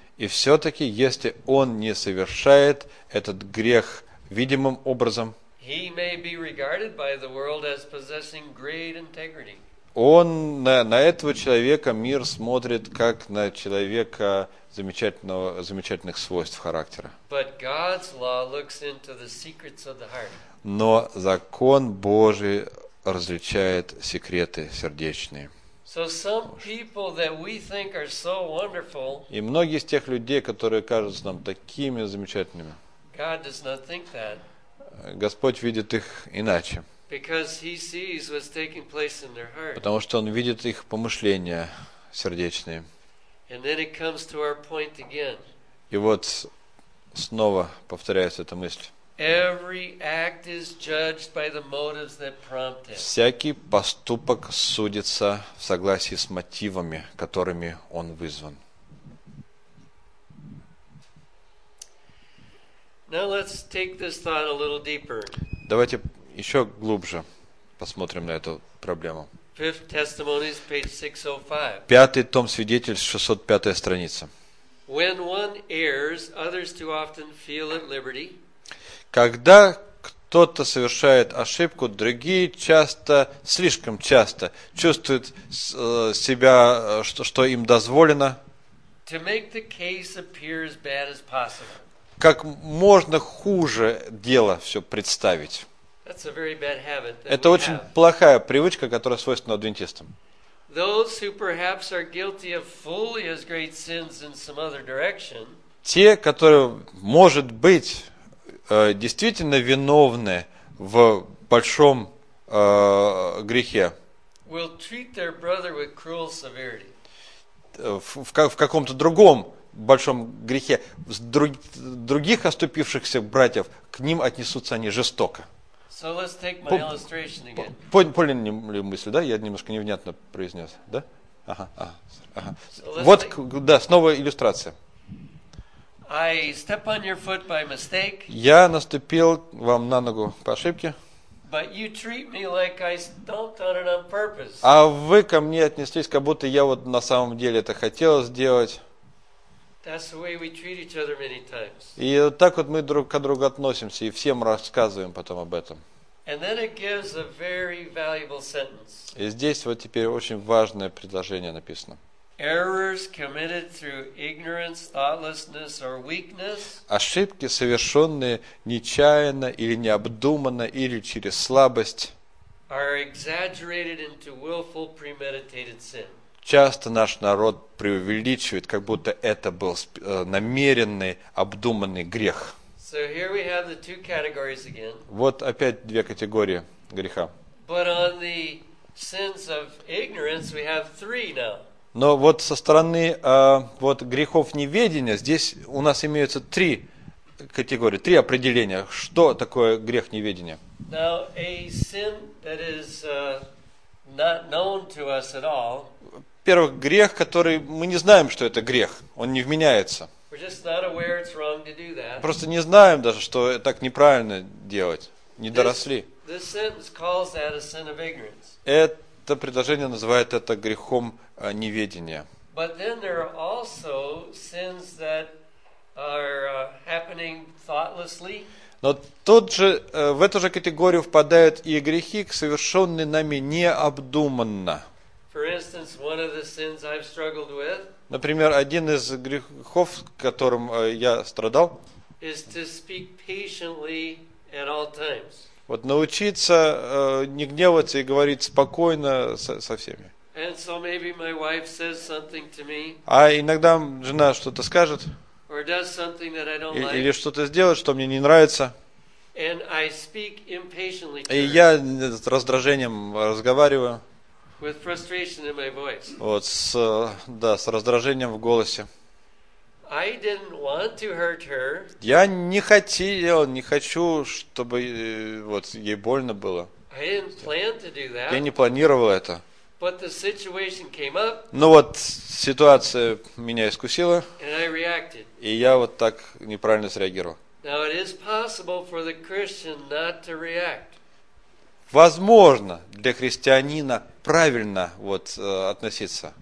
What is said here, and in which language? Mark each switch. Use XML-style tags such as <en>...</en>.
<ru>и все-таки, если он не совершает этот грех видимым образом,</ru> <en>he may be regarded by the world as possessing great integrity.</en> <ru>Он на этого человека мир смотрит как на человека замечательных свойств характера.</ru> <en>But God's law looks into the secrets of the heart.</en> <ru>Но закон Божий различает секреты сердечные.</ru> <en>So some people that we think are so wonderful,</en> <ru>и многие из тех людей, которые кажутся нам такими замечательными,</ru> <en>God does not think that.</en> <ru>Господь видит их иначе.</ru> <en>Because he sees what's taking place in their heart.</en> <ru>Потому что он видит их помышления сердечные.</ru> <en>And then it comes to our point again.</en> <ru>И вот снова повторяется эта мысль.</ru> <en>Every act is judged by the motives that prompt it.</en> <ru>Всякий поступок судится в согласии с мотивами, которыми он вызван.</ru> <en>Now let's take this thought a little deeper.</en> <ru>Давайте еще глубже посмотрим на эту проблему.</ru> <en>Fifth Testimonies, page 605.</en> <ru>Пятый том свидетельств, 605 страница.</ru> <en>When one errs, others too often feel at liberty.</en> <ru>Когда кто-то совершает ошибку, другие часто, слишком часто, чувствуют себя, что им дозволено.</ru> <en>To make the case appear as bad as possible.</en> <ru>Как можно хуже дело все представить.</ru> <en>That's a very bad habit that</en> <ru>Это очень</ru> <en>have.</en> <ru>Плохая привычка, которая свойственна адвентистам.</ru> <en>Those who perhaps are guilty of fully as great sins in some other direction.</en> <ru>Те, которые, может быть, действительно виновны в большом грехе,</ru> <en>will treat their brother with cruel severity.</en> <ru>В каком-то другом большом грехе других оступившихся братьев, к ним отнесутся они жестоко.</ru> <en>So let's take my illustration again.</en> <ru>Поняли ли мысль, да? Я немножко невнятно произнес, да? Ага. Вот, да, снова иллюстрация.</ru> <en>I step on your foot by mistake.</en> <ru>Я наступил вам на ногу по ошибке.</ru> <en>But you treat me like I stomped on it on purpose.</en> <ru>А вы ко мне отнеслись, как будто я вот на самом деле это хотел сделать.</ru> <en>That's the way we treat each other many times.</en> <ru>И вот так вот мы друг к другу относимся и всем рассказываем потом об этом.</ru> <en>And then it gives a very valuable sentence.</en> <ru>И здесь вот теперь очень важное предложение написано.</ru> <en>Errors committed through ignorance, thoughtlessness, or weakness.</en> <ru>Ошибки, совершенные нечаянно или необдуманно или через слабость.</ru> <en>Are exaggerated into willful, premeditated sin.</en> <ru>Часто наш народ преувеличивает, как будто это был намеренный, обдуманный грех.</ru> <en>So here we have the two categories again.</en> <ru>Вот опять две категории греха.</ru> <en>But on the sins of ignorance, we have three now.</en> <ru>Но вот со стороны вот грехов неведения здесь у нас имеются три категории, три определения. Что такое грех неведения?</ru> <en>Now, a sin that is, not known to us at all.</en> <ru>Первый грех, который мы не знаем, что это грех, он не вменяется. Просто не знаем даже, что так неправильно делать. Не доросли. Это предложение называет это грехом неведения.</ru> <en>But then there are also sins that are happening thoughtlessly.</en> <ru>Но тут же, в эту же категорию впадают и грехи, совершенные нами необдуманно.</ru> <en>For instance, one of the sins I've struggled with.</en> <ru>Например, один из грехов, которым я страдал.</ru> <en>Is to speak patiently at all times.</en> <ru>Вот научиться не гневаться и говорить спокойно со всеми.</ru> <en>And so maybe my wife says something to me.</en> <ru>А иногда жена что-то скажет.</ru> <en>Or does something that I don't like.</en> <ru>Или что-то сделает, что мне не нравится.</ru> <en>And I speak impatiently.</en> <ru>И я с раздражением разговариваю.</ru> <en>With frustration in my voice.</en> <ru>Вот с раздражением в голосе.</ru> <en>I didn't want to hurt her.</en> <ru>Я не хотел, не хочу, чтобы вот ей больно было.</ru> <en>I didn't plan to do that.</en> <ru>Я не планировал это.</ru> <en>But the situation came up.</en> <ru>Ну вот ситуация меня искусила.</ru> <en>And I reacted.</en> <ru>И я вот так неправильно среагировал.</ru> <en>Now it is possible for the Christian not to react.</en> <ru>Возможно для христианина правильно вот относиться.</ru>